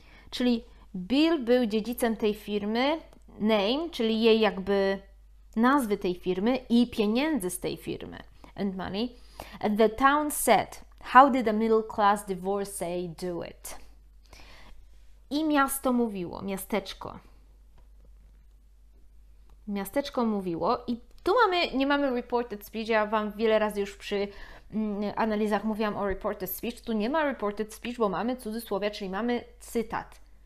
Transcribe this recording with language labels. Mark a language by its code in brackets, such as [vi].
[pl] Czyli Bill był dziedzicem tej firmy, name, czyli jej jakby nazwy tej firmy i pieniędzy z tej firmy, [en] and money. And the town said, how did a middle class divorcee do it? [pl] I miasto mówiło, miasteczko. Miasteczko mówiło i tu mamy, nie mamy reported speech, ja Wam wiele razy już przy analizach mówiłam o reported speech, tu nie ma reported speech, bo mamy cudzysłowie, czyli mamy cytat.